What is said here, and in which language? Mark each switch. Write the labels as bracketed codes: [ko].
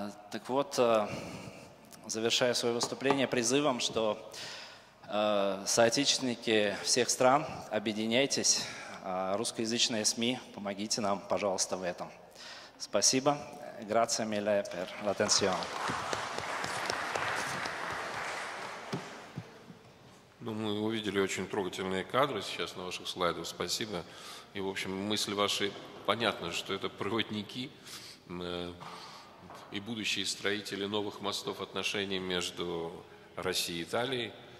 [ru] Так вот, завершая свое выступление призывом, что соотечественники всех стран, объединяйтесь. Русскоязычные СМИ, помогите нам, пожалуйста, в этом. Спасибо. [it] Grazie mille per l'attenzione. [ru] Ну, мы увидели очень трогательные кадры сейчас на ваших слайдах. Спасибо. И, в общем, мысли ваши понятны, что это проводники и будущие строители новых мостов отношений между Россией и Италией.